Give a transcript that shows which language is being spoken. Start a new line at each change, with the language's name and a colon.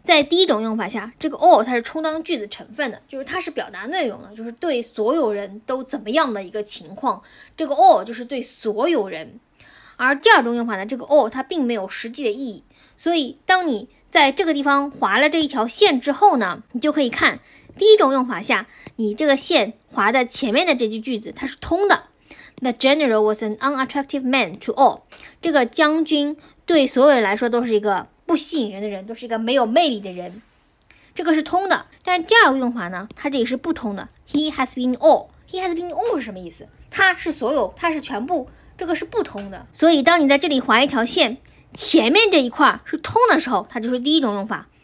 Chinese: 在第一种用法下，这个 all 它是充当句子成分的，就是它是表达内容的，就是对所有人都怎么样的一个情况，这个 all 就是对所有人。而第二种用法呢，这个 or 它并没有实际的意义。所以当你在这个地方划了这一条线之后呢，你就可以看第一种用法下，你这个线划的前面的这句句子它是通的。
English: The general was an unattractive man to all.
Chinese: 这个将军对所有人来说都是一个不吸引人的人，都是一个没有魅力的人。这个是通的，但是第二个用法呢，它这里是不通的。
English: He has been all. He has been all
Chinese: 是什么意思？他是所有，他是全部，这个是不通的。所以当你在这里划一条线，前面这一块是通的时候，它就是第一种用法。